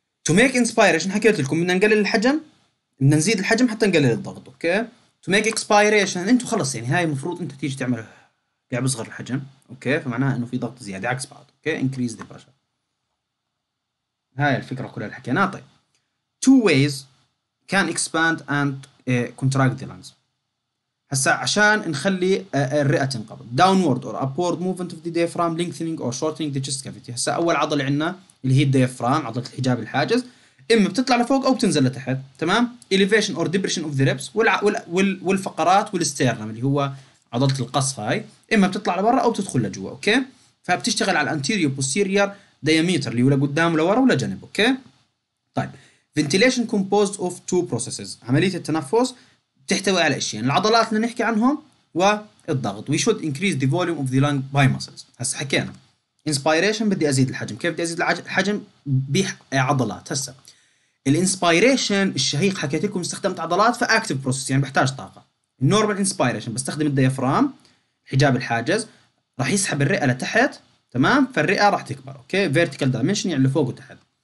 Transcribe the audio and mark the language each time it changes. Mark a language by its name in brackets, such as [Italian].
[English] To make inspiration [Arabic] حكيت لكم بدنا نقلل الحجم، بدنا نزيد الحجم حتى نقلل الضغط، اوكي؟ [English] To make expiration [Arabic] انتوا خلص يعني هاي المفروض انت تيجي تعمل قاعد بصغر الحجم، اوكي؟ فمعناها انه في ضغط زياده عكس بعض، اوكي؟ [English] Increase the pressure. [Arabic] هاي الفكره كلها اللي حكيناها. طيب. [English] Two ways can expand and contract the lungs. [Arabic] هسا عشان نخلي الرئه تنقبض، [English] Downward or upward movement of the diaphragm lengthening or shortening the chest cavity. [Arabic] هسا اول عضله عندنا اللي هي الديافرام، عضله الحجاب الحاجز، اما بتطلع لفوق او بتنزل لتحت، تمام؟ [English] elevation or depression of the ribs [Arabic] والفقرات والستيرنم اللي هو عضله القص هاي، اما بتطلع لبرا او بتدخل لجوا، اوكي؟ فبتشتغل على الانتيريو بوستيريور دياميتر اللي هو لقدام ولورا ولا جنب، اوكي؟ طيب [English] ventilation composed of two processes, [Arabic] عمليه التنفس تحتوي على اشياء العضلات اللي نحكي عنهم والضغط. [English] We should increase the volume of the lung by muscles. [Arabic] هسه حكينا inspiration بدي ازيد الحجم، كيف بدي ازيد الحجم؟ بعضلات. هسه الانسبيريشن الشهيق حكيت لكم استخدمت عضلات فاكتيف بروسس يعني بحتاج طاقه. النورمال انسبيريشن بستخدم الديافرام حجاب الحاجز راح يسحب الرئه لتحت تمام، فالرئه راح تكبر اوكي فيرتيكال دايمنشن يعني لفوق وتحت.